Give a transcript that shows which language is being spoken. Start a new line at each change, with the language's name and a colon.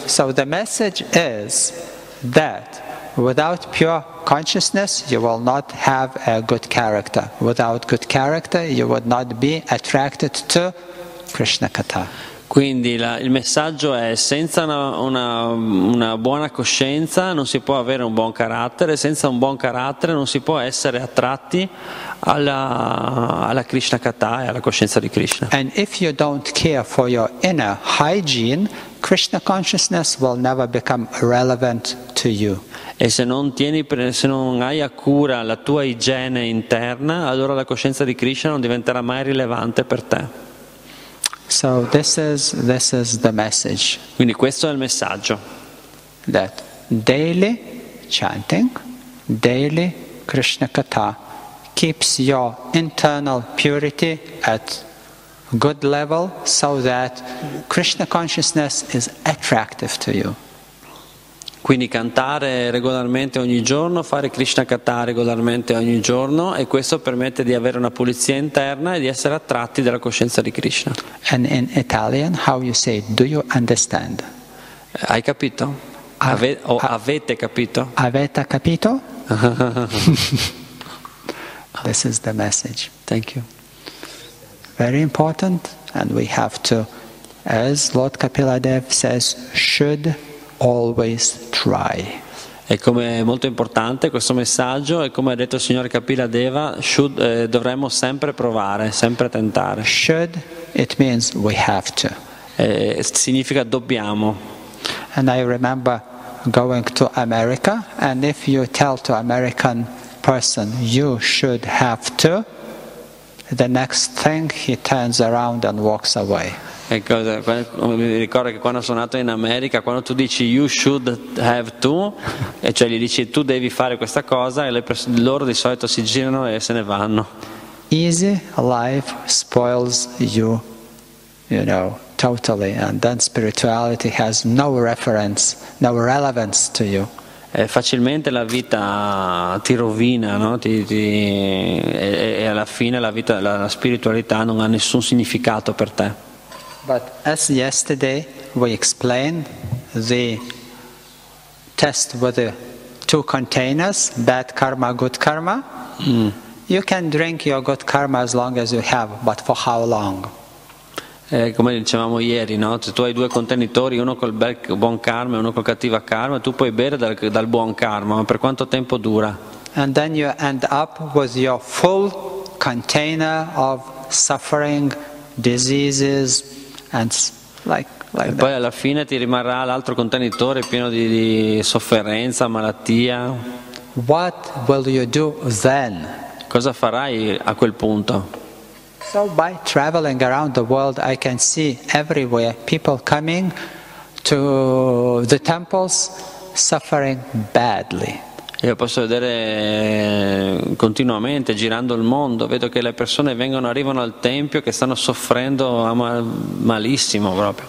English: So the message is that without pure consciousness you will not have a good character. Without good character you would not be attracted to Krishna Katha.
Italian: Quindi il messaggio è: senza una buona coscienza non si può avere un buon carattere, senza un buon carattere non si può essere attratti alla Krishna Katha e alla coscienza di Krishna.
English: And if you don't care for your inner hygiene, Krishna consciousness will never become relevant to you.
Italian: E se non hai a cura la tua igiene interna, allora la coscienza di Krishna non diventerà mai rilevante per te.
English: So this is the message.
Italian: Quindi questo è il messaggio.
English: That daily chanting, daily Krishna Katha keeps your internal purity at good level so that Krishna consciousness is attractive to you.
Italian: Quindi cantare regolarmente ogni giorno, fare Krishna Katha regolarmente ogni giorno, e questo permette di avere una pulizia interna e di essere attratti dalla coscienza di Krishna.
English: And in Italian, how you say, do you understand?
Italian: Hai capito? Avete capito? Avete capito?
English: This is the message. Thank you. Very important, and we have to, as Lord Kapila Dev says, should always try.
Italian: E come è molto importante questo messaggio, e come ha detto il signor Kapila Deva, dovremmo sempre provare, sempre tentare.
English: Should, it means we have to.
Italian: Significa dobbiamo.
English: And I remember going to America, and if you tell to American person you should have to, the next thing he turns around and walks away.
Italian: Mi ricordo che quando sono nato in America, quando tu dici
English: you should have to,
Italian: e cioè gli dici tu devi fare questa cosa, e loro di solito si girano e se ne vanno.
English: Easy life spoils you, you know, totally, and then spirituality has no reference, no relevance to you.
Italian: Facilmente la vita ti rovina, no? E alla fine la spiritualità non ha nessun significato per te.
English: But as yesterday we explained, the test with the two containers, bad karma, good karma. You can drink your good karma as long as you have, but for how long?
Italian: Come dicevamo ieri, no? Se tu hai due contenitori, uno col bel buon karma e uno col cattiva karma, tu puoi bere dal buon karma, ma per quanto tempo dura?
English: And then you end up with your full container of suffering, diseases, and like
Italian: e poi alla fine ti rimarrà l'altro contenitore pieno di sofferenza, malattia.
English: What will you do then?
Italian: Cosa farai a quel punto?
English: So by traveling around the world I can see everywhere people coming to the temples suffering badly.
Italian: Io posso vedere continuamente girando il mondo, vedo che le persone vengono, arrivano al tempio che stanno soffrendo malissimo proprio.